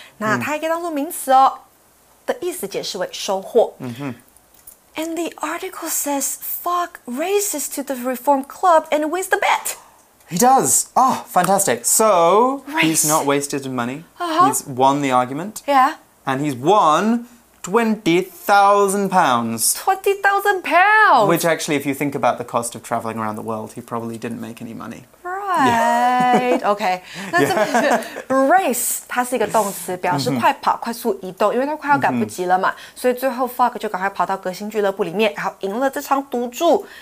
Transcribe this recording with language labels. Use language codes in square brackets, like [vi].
[zh] 那它也可以当作名词哦的意思解释为收获。 Mm-hmm. [en] And the article says Fogg races to the Reform Club and wins the bet. He does. Oh, fantastic. So, he's not wasted money. Uh-huh. He's won the argument. Yeah. And he's won £20,000. £20,000! Which actually, if you think about the cost of travelling around the world, he probably didn't make any money. Right. Okay. [zh] 那这么是 race, 它是一个动词表示快跑快速移动因为它快要赶不及了嘛。所以最后 Fogg 就赶快跑到革新俱乐部里面然后赢了这场赌注。